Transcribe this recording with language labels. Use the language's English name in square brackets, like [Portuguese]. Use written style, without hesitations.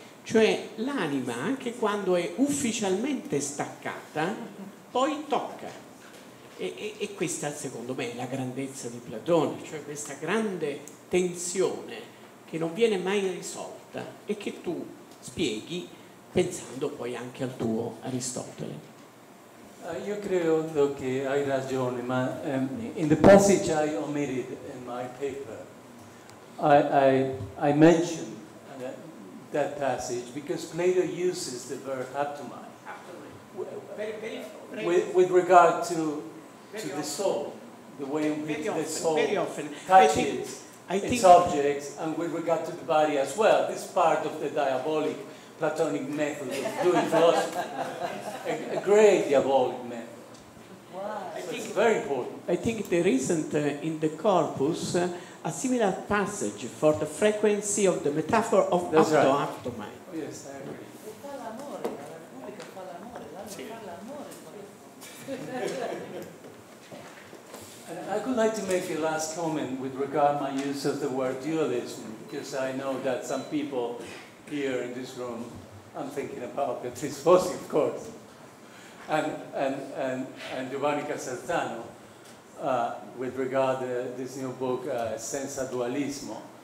[Italian] Cioè l'anima, anche quando è ufficialmente staccata, poi tocca. E questa, secondo me, è la grandezza di Platone, cioè questa grande tensione che non viene mai risolta e che tu spieghi pensando poi anche al tuo Aristotele. Io credo che hai ragione, ma [English] in the passage I omitted in my paper, I mentioned that passage, because Plato uses the verb haptomai with regard to the soul, the way in which the soul touches its objects, and with regard to the body as well. This part of the diabolic Platonic method of doing philosophy, a great diabolic method. Wow. So it's very important. I think there isn't in the corpus a similar passage for the frequency of the metaphor of apto, right. Apto, apto mai. Oh, yes, I agree. [Italian] Fa l'amore, la Repubblica fa l'amore, l'anima fa l'amore. [English] I would like to make a last comment with regard to my use of the word dualism, because I know that some people here in this room, I'm thinking about the Trisposi, of course, and Giovanni Casertano, with regard to this new book, Senza Dualismo.